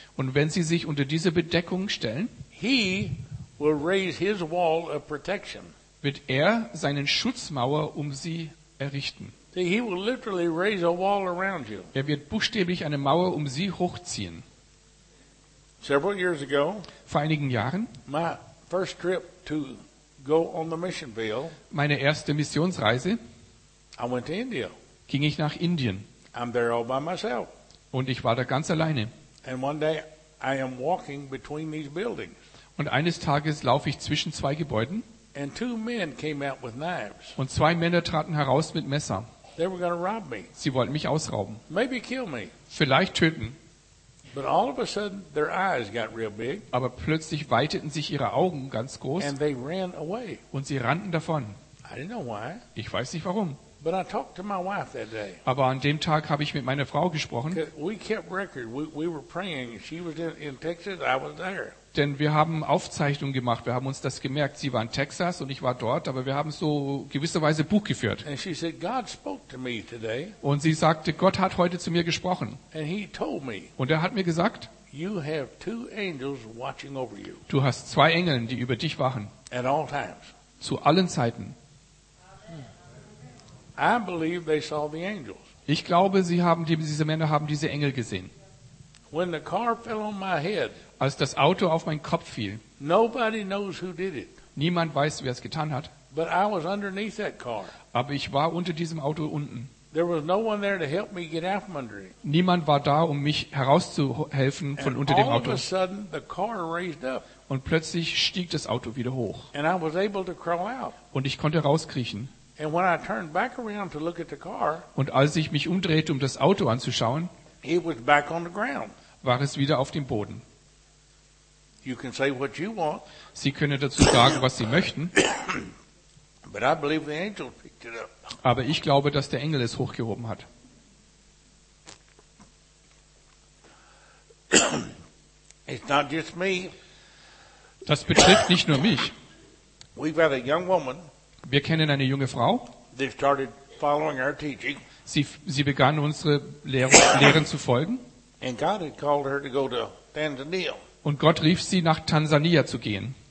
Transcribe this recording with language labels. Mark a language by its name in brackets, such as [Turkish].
[German] und wenn Sie sich unter diese Bedeckung stellen, [English] he will raise his wall of protection. [German] Wird er seinen Schutzmauer um Sie errichten. [English] See, he will literally raise a wall around you. [German] Er wird buchstäblich eine Mauer um Sie hochziehen. [English] Several years ago, [German] vor einigen Jahren, [English] my first trip to go on the mission field, [German] meine erste Missionsreise, [English] I went to India. [German] Ging ich nach Indien. [English] I'm there all by myself. [German] Und ich war da ganz alleine. [English] And one day, I am walking between these buildings. [German] Und eines Tages laufe ich zwischen zwei Gebäuden. [English] And two men came out with knives. [German] Und zwei Männer traten heraus mit Messer. [English] They were going to rob me. [German] Sie wollten mich ausrauben. [English] Maybe kill me. [German] Vielleicht töten. [English] But all of a sudden their eyes got real big. [German] Aber plötzlich weiteten sich ihre Augen ganz groß. [English] And they ran away. [German] Und sie rannten davon. [English] I don't know why. [German] Ich weiß nicht warum. [English] But I talked to my wife that day. [German] Aber an dem Tag habe ich mit meiner Frau gesprochen. [English] We kept record. We were praying. She was in Texas. I was there. [German] Denn wir haben Aufzeichnungen gemacht, wir haben uns das gemerkt. Sie war in Texas und ich war dort, aber wir haben so gewisserweise Buch geführt. [English] And she said, God spoke to me today. [German] Und sie sagte, Gott hat heute zu mir gesprochen. [English] And he told me, [German] und er hat mir gesagt, [English] you have two angels watching over you. [German] Du hast zwei Engel, die über dich wachen. [English] At all times. [German] Zu allen Zeiten. [English] I believe they saw the angels. [German] Ich glaube, diese Männer haben diese Engel gesehen. [English] When the car fell on my head, [German] als das Auto auf meinen Kopf fiel, [English] nobody knows who did it. [German] Niemand weiß, wer es getan hat. [English] But I was underneath that car. [German] Aber ich war unter diesem Auto unten. [English] There was no one there to help me get out from under it. [German] Niemand war da, um mich herauszuhelfen von unter dem Auto. [English] And all of a sudden, the car raised up. [German] Und plötzlich stieg das Auto wieder hoch. [English] And I was able to crawl out. [German] Und ich konnte rauskriechen. [English] And when I turned back around to look at the car, [German] und als ich mich umdrehte, um das Auto anzuschauen, [English] it was back on the ground. [German] War es wieder auf dem Boden. [English] You can say what you want. [German] Sie können dazu sagen, was Sie möchten. [English] But I believe the angel picked it up. [German] Aber ich glaube, dass der Engel es hochgehoben hat. [English] It's not just me. [German] Das betrifft nicht nur mich. [English] We've had a young woman. [German] Wir kennen eine junge Frau. [English] They've started following our teaching. [German] Sie begann, unsere Lehren zu folgen. [English] And God had called her to go to Tanzania. [German] Und Gott rief sie, nach Tansania zu gehen.